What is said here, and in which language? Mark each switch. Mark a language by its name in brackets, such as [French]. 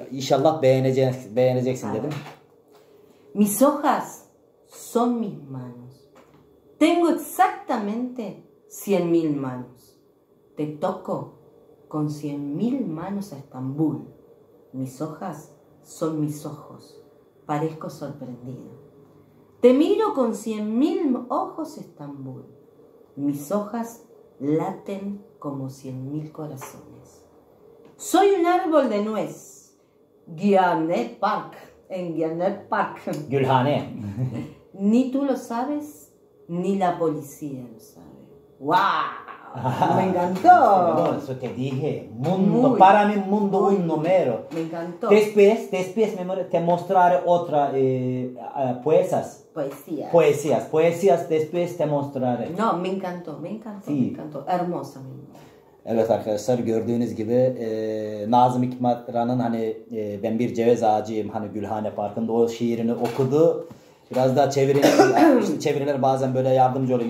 [Turkish] İnşallah beğeneceksin dedim. [Spanish] Mis hojas son mis manos. Tengo exactamente 100.000 manos. Te toco con 100.000 manos a Estambul. Mis hojas son mis ojos. Parezco sorprendido. Te miro con 100.000 ojos a Estambul. Mis hojas laten como 100.000 corazones. Soy un árbol de nuez. Gülhane Park. En Gülhane Park. Gülhane. Ni tú lo sabes, ni la policía lo sabe. ¡Wow! ¡Me encantó! No, eso te dije. Mundo, para mí, mundo, un número. Me encantó. Después, mi amor, te mostraré otra poesías. Poesías. Poesías, después te mostraré. No, me encantó, sí. Me encantó. Hermosa, mi amor. [Turkish] Evet arkadaşlar, gördüğünüz gibi Nazım Hikmet'in hani ben bir ceviz ağacıyım hani Gülhane Parkı'nda o şiirini okudu. Biraz daha çeviriler bazen böyle yardımcı oluyor.